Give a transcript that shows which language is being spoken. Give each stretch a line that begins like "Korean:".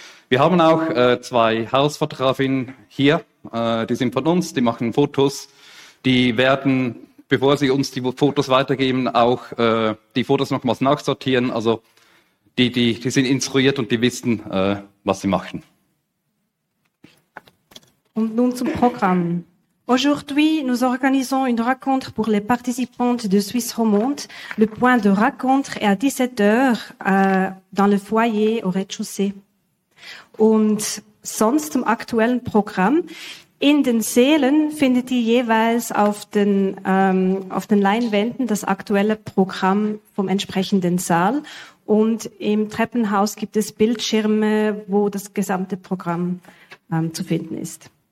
German: Wir haben auch zwei Hausfotografinnen hier, die sind von uns, die machen Fotos. Die werden, bevor sie uns die Fotos weitergeben, auch die Fotos nochmals nachsortieren. Also die sind instruiert und die wissen, was sie machen. Und nun zum Programm.
French: Aujourd'hui, nous organisons une rencontre pour les participantes de Suisse Romande. Le point de rencontre est à 17h dans le foyer au rez-de-chaussée.
German: Und sonst zum aktuellen Programm. In den Sälen findet ihr jeweils auf den Leinwänden das aktuelle Programm vom entsprechenden Saal. Und im Treppenhaus gibt es Bildschirme, wo das gesamte Programm zu finden ist.